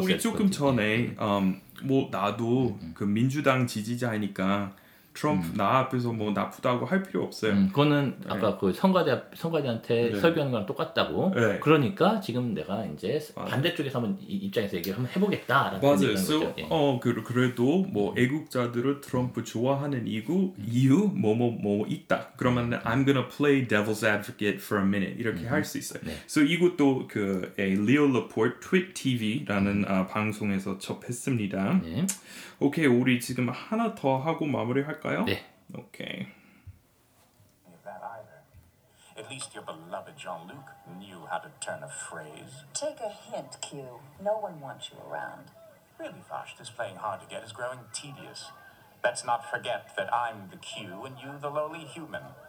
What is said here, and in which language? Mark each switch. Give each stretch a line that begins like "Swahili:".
Korean: 우리 조금 전에 뭐 나도 그 민주당 지지자이니까 트럼프 나 앞에서 뭐 나쁘다고 할 필요 없어요. 그거는 네. 아까 그 성가대한테 네. 설교하는 거랑 똑같다고. 네. 그러니까 지금 내가 이제 반대쪽에서 한번 입장에서 얘기를 한번 해보겠다라는 맞아요. 얘기하는 거죠. 맞아요. 그래도 뭐 애국자들을 트럼프 좋아하는 이유 뭐 있다. 그러면
English: I'm gonna play devil's advocate for a minute.
Korean: 이렇게 할 수 있어요. 네. So 이것도 그 Leo Laporte Twit TV라는 방송에서 접했습니다. 네. 오케이 우리 지금 하나 더 하고 마무리할까요? 네. 오케이.
English: At least your beloved Jean-Luc knew how to turn a phrase. Take a hint, Q. No one wants you around. Really, Vash, this playing hard to get is growing tedious. Let's not forget that I'm the Q and you the lowly human.